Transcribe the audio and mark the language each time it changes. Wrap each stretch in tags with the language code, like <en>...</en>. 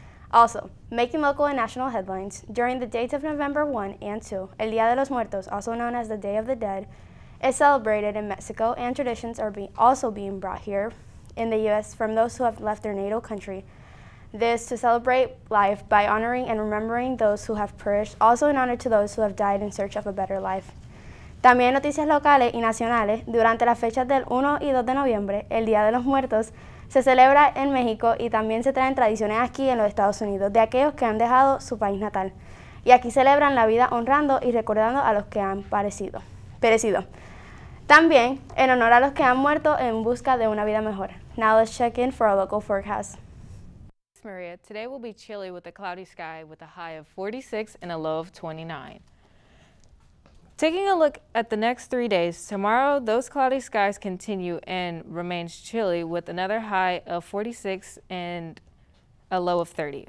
<en>Also, making local and national headlines, during the dates of November 1 and 2, El Día de los Muertos, also known as the Day of the Dead, is celebrated in Mexico, and traditions are also being brought here in the U.S. from those who have left their natal country. This to celebrate life by honoring and remembering those who have perished, also in honor to those who have died in search of a better life.</en> <es>También noticias locales y nacionales, durante las fechas del 1 y 2 de noviembre, el Día de los Muertos, se celebra en México y también se traen tradiciones aquí en los Estados Unidos de aquellos que han dejado su país natal. Y aquí celebran la vida honrando y recordando a los que han perecido. También en honor a los que han muerto en busca de una vida mejor.</es> <en>Now let's check in for our local forecast. Maria, today will be chilly with a cloudy sky with a high of 46 and a low of 29. Taking a look at the next 3 days, tomorrow those cloudy skies continue and remains chilly with another high of 46 and a low of 30.</en>